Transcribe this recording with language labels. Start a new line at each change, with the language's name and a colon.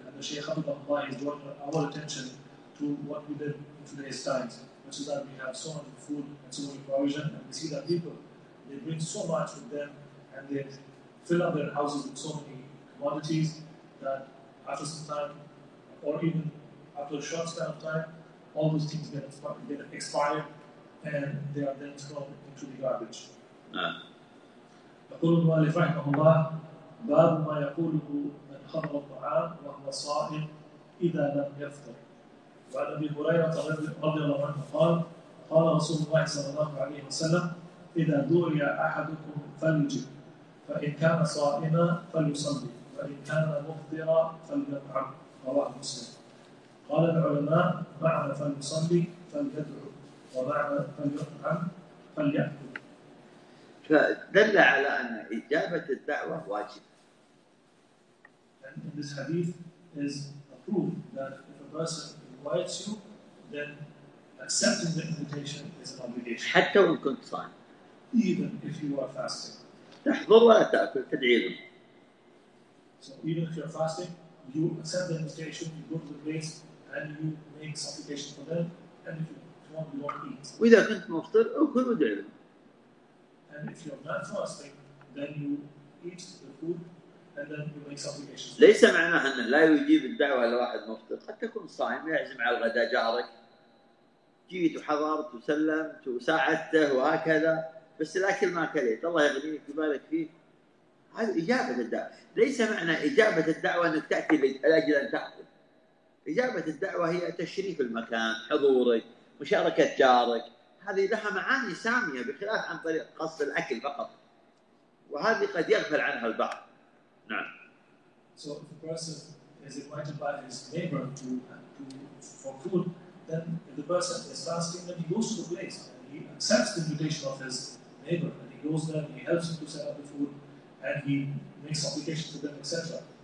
English: And the Shaykh Abdul Allah is drawing our attention to what we did in today's times, which is that we have so much food and so much provision, and we see that people, they bring so much with them and they fill up their houses with so many commodities that after some time, or even after a short span of time, all those things get expired and they are then thrown into the garbage.
Arabic: أقول المؤلف رحمه الله باب ما يقوله من حضر الطعام وهو صائم إذا لم يفطر. وعن أبي هريرة رضي الله عنه قال قال رسول الله صلى الله عليه وسلم إذا دعي أحدكم فليجب، فإن كان صائما فليصلي، فإن كان مفطرا فليطعم. رواه مسلم. قال العلماء معنى فليصلي فليدعو، ومعنى فليطعم فليأكل. فدل على أن إجابة الدعوة واجب.
English: And in this hadith is a proof that if a person invites you, then accepting the invitation is an obligation.
Arabic: حتى وإن كنت صائم.
English: Even if you are fasting.
Arabic: تحضر ولا تأكل، تدعي لهم.
English: So even if you are fasting, you accept the invitation, you go to the place, and you make supplication for them, and if you want, you don't eat.
Arabic: وإذا كنت مفطر، أكل ودعي لهم.
English: And if you are not fasting, then you eat the food, and then you make supplication.
Arabic: ليس معناه أن لا يجيب الدعوة لواحد مفطر، قد تكون صائم يعزم على الغداء جارك. جيت وحضرت وسلمت وساعدته وهكذا، بس الأكل ما أكلت، الله يغنيك ويبارك فيه. هذه إجابة الدعوة. ليس معنى إجابة الدعوة أنك تأتي لأجل أن تأكل. إجابة الدعوة هي تشريف المكان، حضورك، مشاركة جارك، هذه لها معاني سامية بخلاف عن طريق قصد الأكل فقط. وهذه قد يغفل عنها البعض. نعم.
English: So if a person is invited by his neighbor for food, then if the person is fasting, then he goes to the place and he accepts the invitation of his neighbor and he goes there and he helps him to set up the food and he makes supplication for them, etc.